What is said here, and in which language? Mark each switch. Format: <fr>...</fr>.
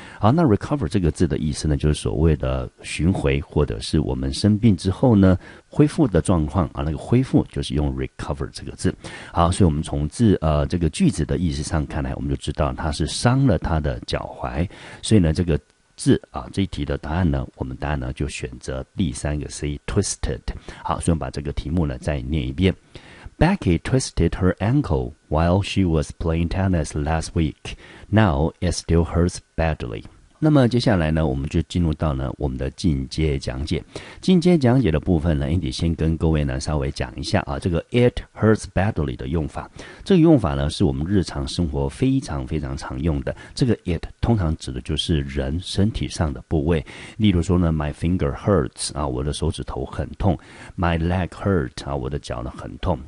<zh>好，那 recover 这个字的意思呢，就是所谓的寻回或者是我们生病之后呢恢复的状况啊，那个恢复就是用 recover 这个字。好，所以我们从字这个句子的意思上看来，我们就知道它是伤了他的脚踝，所以呢这个字啊，这一题的答案呢，我们答案呢就选择第三个 C twisted。好，所以我们把这个题目呢再念一遍</zh> <en>：Becky twisted her ankle while she was playing tennis last week. Now it still hurts badly.</en> <zh>那么接下来呢，我们就进入到呢我们的进阶讲解。进阶讲解的部分呢 ，Andy 先跟各位呢稍微讲一下啊，这个</zh> <en>it hurts badly</en> <zh>的用法。这个用法呢是我们日常生活非常非常常用的。这个 it。通常指的就是人身体上的部位，例如说呢 ，</zh> <en>my finger hurts</en> <zh>啊，我的手指头很痛 ；</zh> <en>my leg hurt</en> <zh>啊，我的脚呢很痛。</zh>